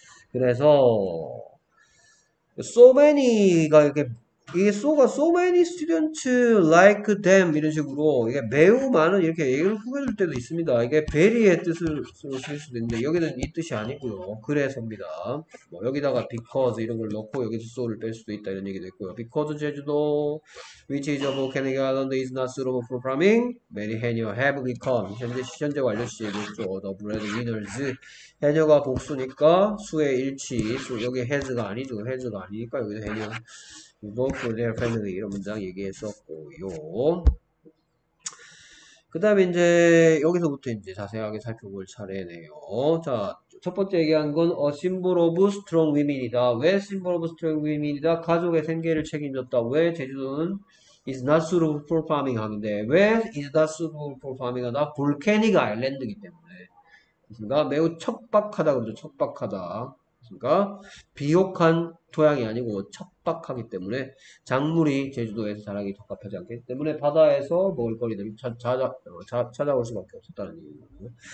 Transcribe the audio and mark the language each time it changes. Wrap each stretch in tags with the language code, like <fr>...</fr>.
<ko>그래서, so many가 이렇게, 이게 so가</ko> <en>so many students like them,</en> <ko>이런 식으로, 이게 매우 많은 이렇게 얘기를 후겨줄 때도 있습니다. 이게 very의 뜻을 쓸 수도 있는데, 여기는 이 뜻이 아니고요. 그래서입니다. 뭐, 여기다가 because 이런 걸 넣고, 여기서 so를 뺄 수도 있다, 이런 얘기도 했고요.</ko> <en>because 제주도, which is a volcanic island is not suitable for farming, many haenyeo have become,</en> <ko>현재 완료 시제죠.</ko> <en>the breadwinners.</en> <ko>해녀가 복수니까, 수의 일치, 수, 여기 has가 아니죠. has가 아니니까, 여기도 해녀.</ko> <en>Both for their family</en> <ko>이런 문장 얘기했었고요. 그다음에 이제 여기서부터 이제 자세하게 살펴볼 차례네요. 자, 첫 번째 얘기한 건</ko> <en>a symbol of strong women</en> <ko>이다. 왜</ko> <en>symbol of strong women</en> <ko>이다? 가족의 생계를 책임졌다. 왜 제주도는</ko> <en>is not suitable for farming</en> <ko>하는데 왜 is not suitable for farming 하다? volcanic island이기 때문에. 그러니까 매우 척박하다 그러죠. 척박하다. 그러니까 비옥한 토양이 아니고 척박하기 때문에 작물이 제주도에서 자라기 적합하지 않기 때문에 바다에서 먹을거리들을 찾아올 수밖에 없었다는 얘기고요.</ko>